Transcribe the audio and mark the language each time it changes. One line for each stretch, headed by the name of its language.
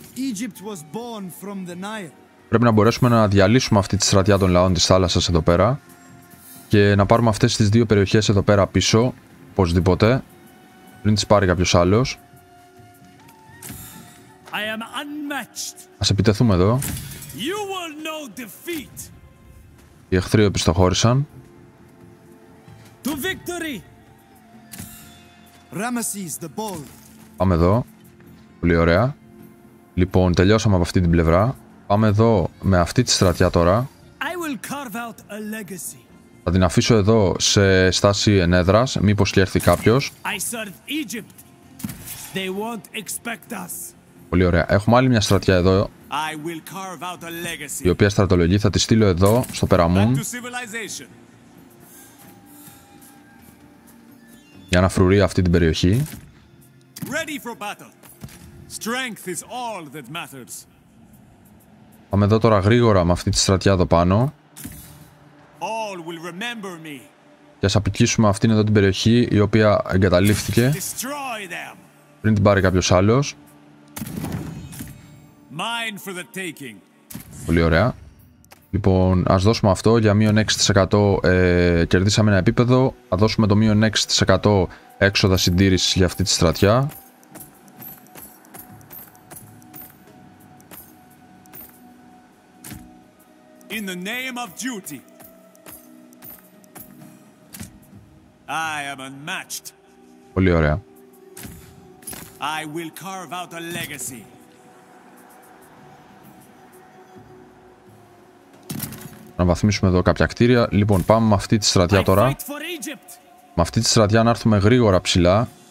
English: Egypt was born from the Nile.
Greek: Πρέπει να μπορέσουμε να διαλύσουμε αυτή τη στρατιά των λαών της θάλασσας εδώ πέρα. Και να πάρουμε αυτές τις δύο περιοχές εδώ πέρα πίσω. Οπωσδήποτε. Πριν τις πάρει κάποιος άλλος.
English: I am unmatched.
Greek: Ας επιτεθούμε εδώ.
English: You will know defeat.
Greek: Οι εχθροί επιστοχώρησαν.
English: To victory. Ramesses, the bold.
Greek: Πάμε εδώ. Πολύ ωραία. Λοιπόν, τελειώσαμε από αυτή την πλευρά. Πάμε εδώ με αυτή τη στρατιά τώρα.
English: I will carve out a legacy.
Greek: Θα την αφήσω εδώ σε στάση ενέδρας. Μήπως και έρθει κάποιος.
English: I serve Egypt. They won't expect us.
Greek: Πολύ ωραία. Έχουμε άλλη μια στρατιά εδώ.
English: I will carve out a legacy.
Greek: Η οποία στρατολογεί θα τη στείλω εδώ στο Περαμούν. Για να φρουρεί αυτή την περιοχή.
English: Ready for battle. Strength is all that matters.
Greek: Πάμε εδώ τώρα γρήγορα με αυτή τη στρατιά εδώ πάνω.
English: All will remember me.
Greek: Και ας απικήσουμε αυτήν εδώ την περιοχή η οποία εγκαταλείφθηκε.
English: Destroy them.
Greek: Πριν την πάρει κάποιος άλλος.
English: Mine for the taking.
Greek: Πολύ ωραία. Λοιπόν, ας δώσουμε αυτό για μείον 6% κερδίσαμε ένα επίπεδο. Θα δώσουμε το μείον 6% έξοδα συντήρησης για αυτή τη στρατιά.
English: In the name of duty. I am unmatched.
Greek: Πολύ ωραία.
English: I will carve out a legacy.
Greek: Να βαθμίσουμε εδώ κάποια κτίρια. Λοιπόν, πάμε με αυτή τη στρατιά τώρα. Με αυτή τη στρατιά να έρθουμε γρήγορα ψηλά.